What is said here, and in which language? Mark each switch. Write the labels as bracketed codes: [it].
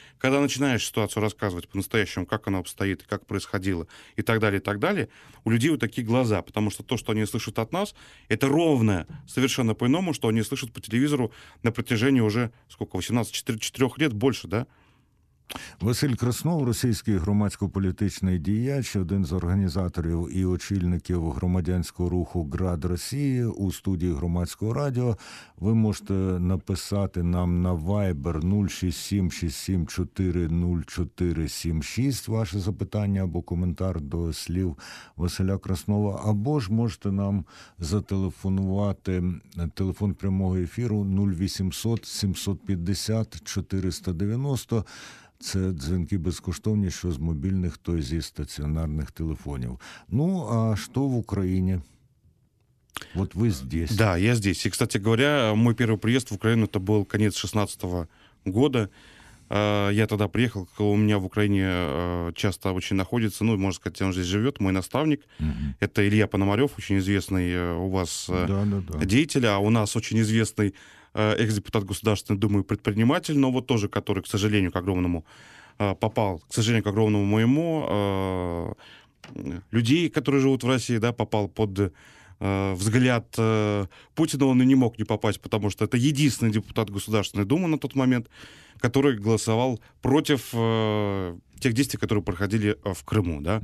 [ru] Когда начинаешь ситуацию рассказывать по-настоящему, как она обстоит, как происходило, и так далее, у людей вот такие глаза, потому что то, что они слышат от нас, это ровное, совершенно по-иному, что они слышат по телевизору на протяжении уже, сколько, 18-4 лет, больше, да? [uk] Василь Краснов, російський громадсько-політичний діяч, один з організаторів і очільників громадянського руху «Град Росії» у студії громадського радіо. Ви можете написати нам на Viber 067-674-0476 ваше запитання або коментар до слів Василя Краснова, або ж можете нам зателефонувати телефон прямого ефіру 0800-750-490. Це дзвінки безкоштовні, що з мобільних, то й зі стаціонарних телефонів. Ну, а що в Україні? От ви здесь. [ru] Да, я здесь. І, кстати говоря, мой первый приезд в Украину, это был конец 16-го года. Я тогда приехал, у меня в Украине часто очень находится, ну, можно сказать, он здесь живет, мой наставник. Uh-huh. Это Илья Пономарев, очень известный у вас деятель, а у нас очень известный экс-депутат Государственной Думы и предприниматель, но вот тоже, который, к сожалению, к огромному попал, к сожалению, к огромному моему, людей, которые живут в России, да, попал под взгляд Путина, он и не мог не попасть, потому что это единственный депутат Государственной Думы на тот момент, который голосовал против тех действий, которые проходили в Крыму, да.